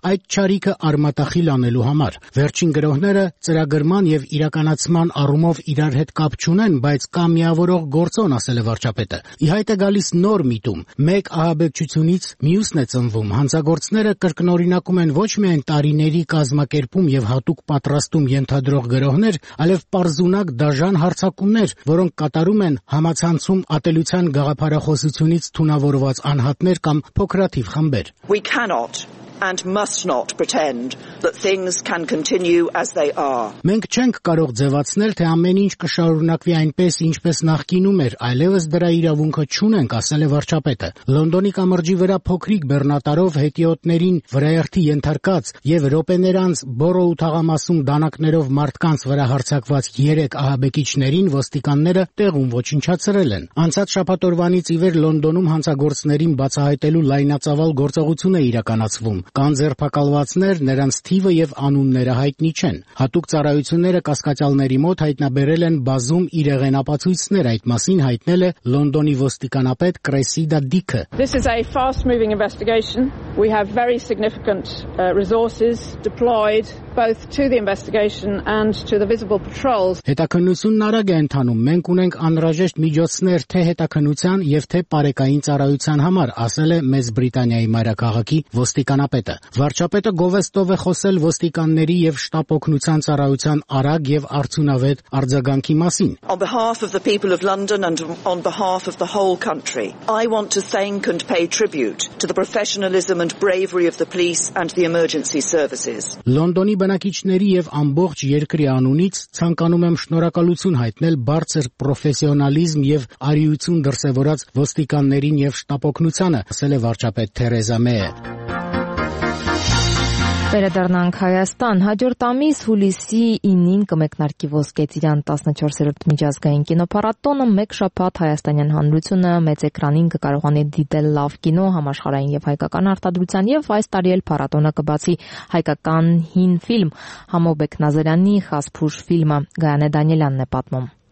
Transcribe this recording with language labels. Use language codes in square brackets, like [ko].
[hy] այդ չարիքը արմատախիլ անելու համար։ Վերջին գրոհները ծրագրման եւ իրականացման առումով իրար հետ կապ չունեն, բայց կա միավորող գործոն, ասել է վարչապետը։ Իհայտ է գալիս նոր միտում՝ մեկ ահաբեկչությունից մյուս ծնվում։ Հանցագործները կրկնօրինակում են ոչ միայն տարիների կազմակերպում եւ հատուկ պատրաստում ենթադրող գրոհներ, այլև պարզունակ դաժան հարցակումներ, որոնք կատարում են համացանցում ատելության գաղափարախոսությունից թունավորված անհատներ կամ փոքրաթիվ խմբեր։ [en] We cannot and must not pretend that things can continue as they are. [hy] Մենք չենք կարող ձևացնել, թե ամեն ինչ կշարունակվի այնպես, ինչպես նախկինում էր, այլևս դրա իրավունքը չունենք, ասել է վարչապետը։ Լոնդոնի կամրջի վրա փոքրիկ բեռնատարով հետիոտներին վրայերթի ենթարկած եւ րոպեներ անց Բորոու թաղամասում դանակներով մարդկանց վրա հարձակված 3 ահաբեկիչներին ոստիկանները տեղում ոչնչացրել են։ Անցած շաբաթօրվանից ի վեր Լոնդոնում հանցագործներին բացահայտելու լայնածավալ գործողություն է իրականացվում։ Կան ձերբակալվածներ, նրանց թիվը եւ անունները հայտնի չեն։ Հատուկ ծառայությունները կասկածյալների մոտ հայտնաբերել են բազում իրեղենապացույցներ, այդ մասին հայտնել է Լոնդոնի ոստիկանապետ Կրեսիդա Դիքը։ [en] This is a fast moving investigation. We have very significant resources deployed both to the investigation and to the visible patrols. [hy] Հետաքննությունն արագ է ընթանում։ Մենք ունենք անհրաժեշտ միջոցներ թե հետաքննության եւ թե պարեկային ծառայության համար, ասել է Մեծ Բրիտանիայի մայրաքաղաքի ոստիկանապետը։ Վարչապետը Գովեստով է խոսել ոստիկանների եւ շտապօգնության ծառայության արագ եւ արդյունավետ արձագանքի մասին։ [en] On behalf of the people of London and on behalf of the whole country, I want to thank and pay tribute to the professionalism and bravery of the police and the emergency services. [hy] Լոնդոնի բնակիչների եւ ամբողջ երկրի անունից ցանկանում եմ շնորհակալություն հայտնել բարձր պրոֆեսիոնալիզմ եւ արիություն դրսեւորած ոստիկաններին եւ շտապօգնությանը, ասել է վարչապետ Թերեզա Մեյը։ Վերադառնանք Հայաստան։ Հաջորդ ամիս հուլիսի 9-ին կմեկնարկի Ոսկե Ծիրան 14-րդ միջազգային կինոփառատոնը, մեկ շաբաթ հայաստանյան հանրությունը մեծ էկրանին կկարողանի դիտել լավ կինո համաշխարհային եւ հայկական արտադրության, եւ այս տարի էլ փառատոնը կբացի հայկական հին ֆիլմ Համո Բեկնազարյանի «Խասփուշ» ֆիլմը, Գայանե Դանիելյանն է պատմում։